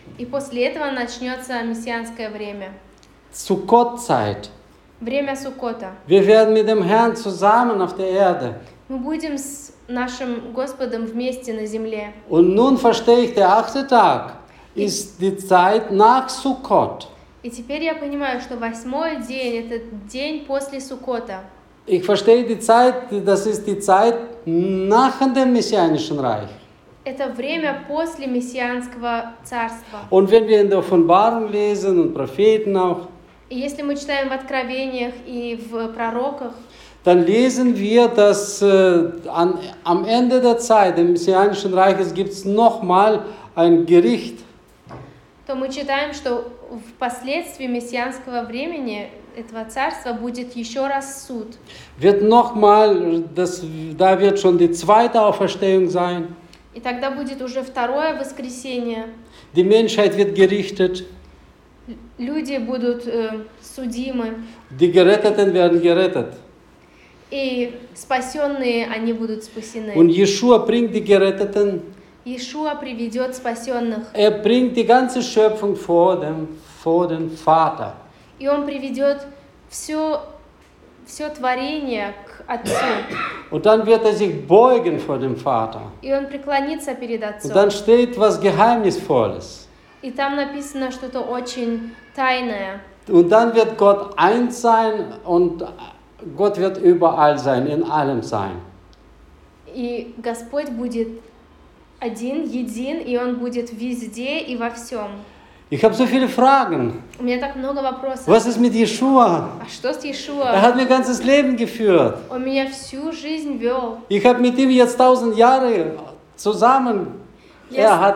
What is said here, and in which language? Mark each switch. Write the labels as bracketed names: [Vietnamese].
[Russian] И после этого начнется мессианское время. [German] Суккотзайт. [Russian] Время Суккота. [German] Wir werden mit dem Herrn zusammen auf der Erde. [Russian] Мы будем с нашим Господом вместе на земле. [German] Und nun verstehe ich, der 8. Tag ist die Zeit nach Суккот. [Russian] И теперь я понимаю, что 8-й день – это день после Суккота. [German] Ich verstehe die Zeit, das ist die Zeit nach dem messianischen Reich. [Russian] Это время после мессианского царства. [German] Und wenn wir in der Offenbarung lesen und Propheten auch, [Russian] и если мы читаем в Откровениях и в Пророках, [German] dann lesen wir, dass am Ende der Zeit, im messianischen Reich, es gibt nochmal ein Gericht. [Russian] То мы читаем, что впоследствии мессианского времени этого царства будет еще раз суд. [German] Wird nochmal, da wird schon die zweite Auferstehung sein. [Russian] И тогда будет уже второе воскресение. [German] Die Menschheit wird gerichtet. [Russian] Люди будут судимы. [German] Die Geretteten werden gerettet. [Russian] И спасенные, они будут спасены. [German] Und Yeshua bringt die Geretteten. [Russian] Иешуа приведет спасенных. [German] Er bringt die ganze Schöpfung vor den Vater. [Russian] И он приведет все творение к Отцу. [German] Und dann wird sich beugen vor dem Vater. [Russian] И он преклонится перед Отцом. [German] Und dann steht was Geheimnisvolles. [Russian] И там написано что-то очень тайное. [German] Und dann wird Gott eins sein und Gott wird überall sein, in allem sein. [Russian] И Господь будет один, един, и Он будет везде и во всем. [German] Ich habe so viele Fragen. [Russian] У меня так много вопросов. [German] Was ist mit Yeshua? [Russian] А что с Yeshua? [German] Er hat mein ganzes Leben geführt. [Russian] Он меня всю жизнь вел. [German] Ich habe mit ihm jetzt 1000 Jahre zusammen. Yes.